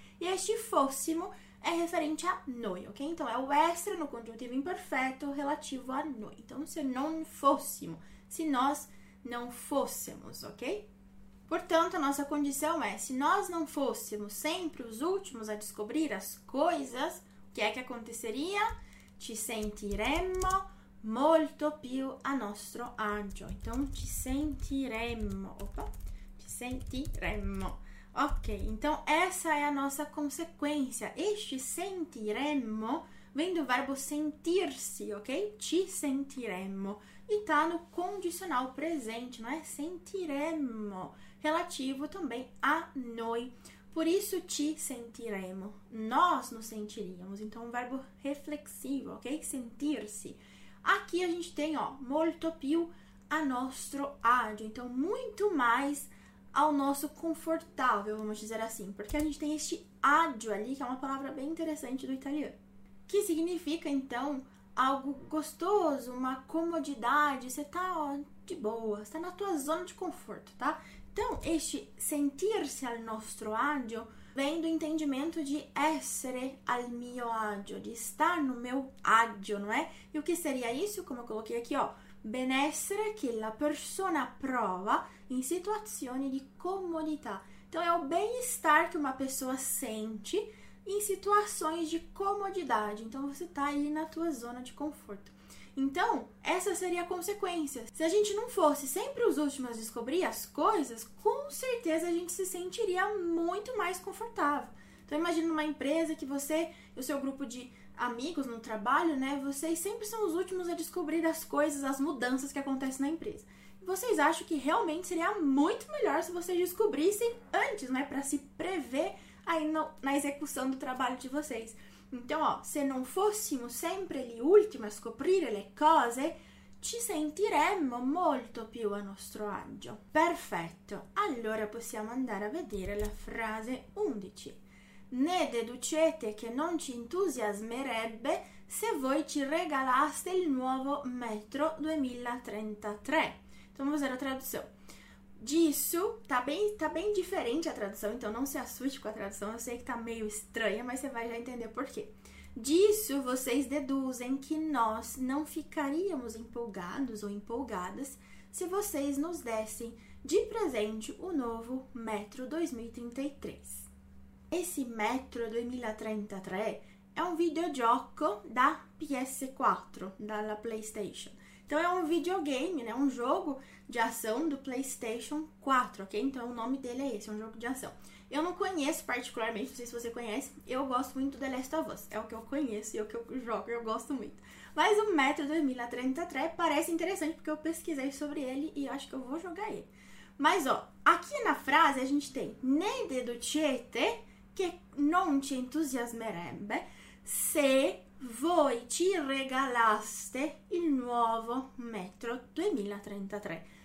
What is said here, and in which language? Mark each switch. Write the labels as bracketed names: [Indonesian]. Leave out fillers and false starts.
[Portuguese] E este fôssimo é referente a noi, ok? Então, é o essere no congiuntivo imperfeito relativo a noi. Então, se non fôssimo, se nós não fôssemos, ok? Portanto, a nossa condição é, se nós não fôssemos sempre os últimos a descobrir as coisas, o que é que aconteceria? [Italian] Ci sentiremmo molto più a nostro agio. Então, ci sentiremmo. Opa, ci sentiremmo. [Portuguese] Ok, então essa é a nossa consequência. Este sentiremmo vem do verbo sentirsi, ok? Ci sentiremmo. E tá no condicional presente, não é? Sentiremmo. Relativo também a noi. Por isso, ci sentiremmo. Nós nos sentiríamos. Então, um verbo reflexivo, ok? Sentirsi. Aqui a gente tem, ó, [Italian] molto più a nostro agio, [Portuguese] então muito mais ao nosso confortável, vamos dizer assim, porque a gente tem este agio ali, que é uma palavra bem interessante do italiano, que significa então algo gostoso, uma comodidade, você tá, ó, de boa, você tá na tua zona de conforto, tá? Então, este sentir-se al nostro agio vem do entendimento de essere al mio agio, de estar no meu agio, não é? E o que seria isso? Como eu coloquei aqui, [Italian] ó, benessere che la persona prova in situazioni di comodità. [Portuguese] Então é o bem-estar que uma pessoa sente em situações de comodidade. Então você tá aí na tua zona de conforto. Então, essa seria a consequência. Se a gente não fosse sempre os últimos a descobrir as coisas, com certeza a gente se sentiria muito mais confortável. Então, imagina uma empresa que você e o seu grupo de amigos no trabalho, né? Vocês sempre são os últimos a descobrir as coisas, as mudanças que acontecem na empresa. Vocês acham que realmente seria muito melhor se vocês descobrissem antes, né? Para se prever aí no, na execução do trabalho de vocês. Então, ó, se não fôssemos sempre [Italian] gli ultimi a scoprire le cose, ci sentiremmo molto più a nostro agio. Perfetto. Allora possiamo andare a vedere la frase 11. Ne deducete che non ci entusiasmerebbe se voi ci regalaste il nuovo metro 2033. [Portuguese] Então, vamos fazer a tradução. Disso, tá bem diferente a tradução, então não se assuste com a tradução, eu sei que tá meio estranha, mas você vai já entender por quê. Disso, vocês deduzem que nós não ficaríamos empolgados ou empolgadas se vocês nos dessem de presente o novo metro 2033. [Italian] Asymmetro 2033 è un videogioco da PS4, dalla PlayStation. [Portuguese] Então, é um videogame, né? Um jogo de ação do PlayStation 4, ok? Então, o nome dele é esse, é um jogo de ação. Eu não conheço particularmente, não sei se você conhece, eu gosto muito do The Last of Us. É o que eu conheço e é o que eu jogo, eu gosto muito. Mas o Metro 2033 parece interessante porque eu pesquisei sobre ele e acho que eu vou jogar ele. Mas, ó, aqui na frase a gente tem [Italian] ne deducete che non ci entusiasmerebbe se voi ci regalaste il nuovo Metro 2033.